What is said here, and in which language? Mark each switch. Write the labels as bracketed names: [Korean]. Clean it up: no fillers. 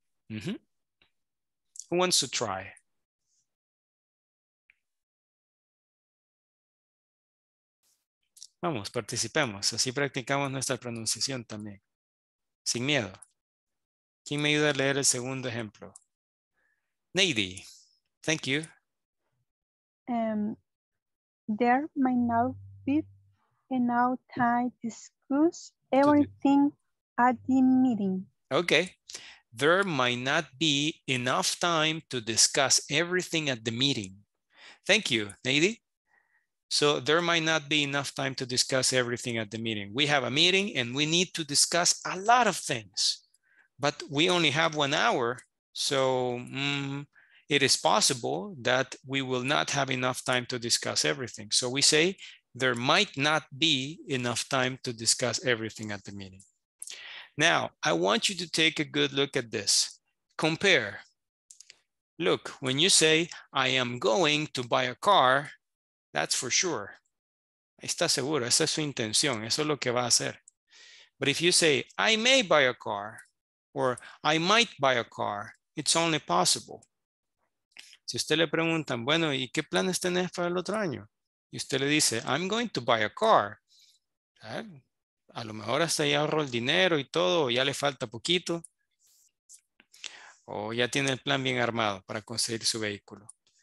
[English] Mm-hmm. Who wants to try? [Spanish] Vamos, participemos. Así practicamos nuestra pronunciación también. Sin miedo. ¿Quién me ayuda a leer el segundo ejemplo? [English] Nady, thank you. There might not be enough time to discuss everything at the meeting. Okay. There might not be enough time to discuss everything at the meeting. Thank you, Nady. So there might not be enough time to discuss everything at the meeting. We have a meeting and we need to discuss a lot of things, but we only have 1 hour. So it is possible that we will not have enough time to discuss everything. So we say there might not be enough time to discuss everything at the meeting. Now, I want you to take a good look at this. Compare. Look, when you say, I am going to buy a car, that's for sure. [Spanish] Está seguro, esa es su intención, eso es lo que va a hacer. [English] But if you say, I may buy a car, or I might buy a car, it's only possible. [Spanish] Si usted le preguntan, bueno, ¿y qué planes tenés para el otro año? Y usted le dice, [English] I'm going to buy a car. ¿Eh? [Spanish] A lo mejor hasta ya ahorro el dinero y todo, o ya le falta poquito. O ya tiene el plan bien armado para conseguir su vehículo.